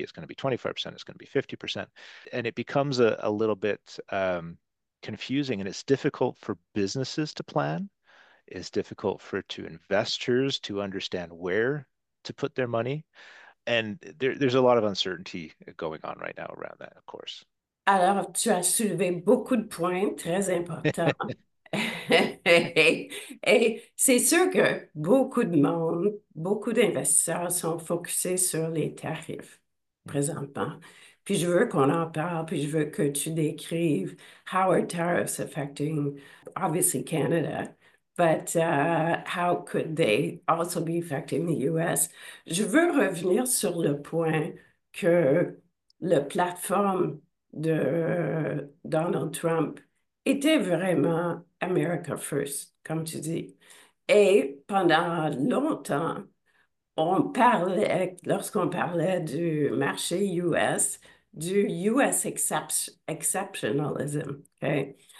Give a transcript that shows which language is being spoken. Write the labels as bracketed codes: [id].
[en] It's going to be 25%. It's going to be 50%. And it becomes a little bit confusing. And it's difficult for businesses to plan. It's difficult for to investors to understand where to put their money. And there's a lot of uncertainty going on right now around that, of course. [fr] Alors, tu as soulevé beaucoup de points très importants. et c'est sûr que beaucoup de monde, beaucoup d'investisseurs sont focusés sur les tarifs présentement. Puis je veux qu'on en parle, puis je veux que tu décrives [en] how are tariffs affecting, obviously, Canada. But how could they also be affecting the U.S.? [fr] Je veux revenir sur le point que la plateforme de Donald Trump était vraiment America first, comme tu dis. Et pendant longtemps, lorsqu'on parlait du marché US, du US exceptionalism. Okay?